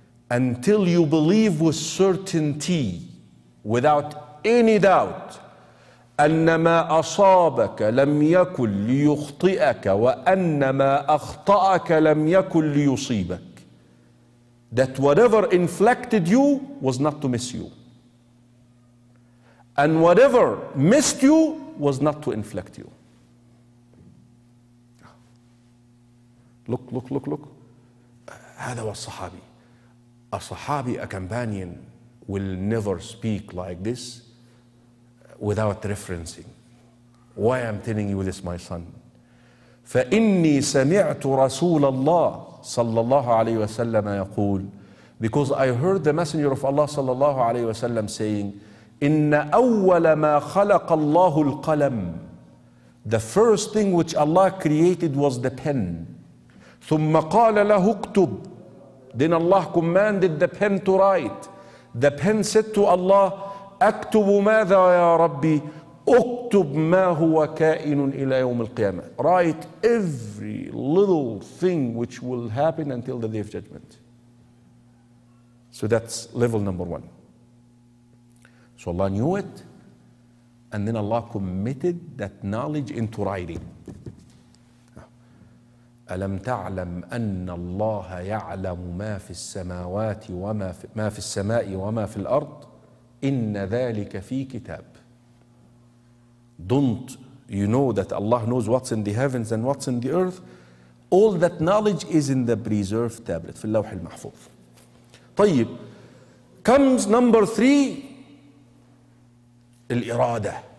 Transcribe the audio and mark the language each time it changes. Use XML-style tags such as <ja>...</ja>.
<en>Until you believe with certainty, without any doubt,</en> <ar>أنما أصابك لم يكن ليخطئك وأنما أخطأك لم يكن ليصيبك.</ar> <en>That whatever inflicted you was not to miss you. And whatever missed you was not to inflict you. Look.</en> <ar>هذا هو الصحابي.</ar> <en>A Sahabi, a companion, will never speak like this without referencing. Why I'm telling you this, my son?</en> <ar>فإني سمعت رسول الله صلى الله عليه وسلم يقول,</ar> <en>because I heard the Messenger of Allah</en> <ar>صلى الله عليه وسلم</ar> <en>saying,</en> <ar>إن أول ما خلق الله القلم,</ar> <en>the first thing which Allah created was the pen.</en> <ar>ثم قال له اكتب.</ar> <en>Then Allah commanded the pen to write. The pen said to Allah,</en> <ar>أكتب ماذا يا ربي؟ أكتب ما هو كائن إلى يوم القيامة.</ar> <en>Write every little thing which will happen until the day of judgment. So that's level number one. So Allah knew it. And then Allah committed that knowledge into writing.</en> <ar>ألم تعلم أن الله يعلم ما في السماوات وما في ما في السماء وما في الأرض إن ذلك في كتاب.</ar> <en>Don't you know that Allah knows what's in the heavens and what's in the earth? All that knowledge is in the preserved tablet,</en> <ar>في اللوح المحفوظ.</ar> <en>طيب, comes number three, الإرادة.</en>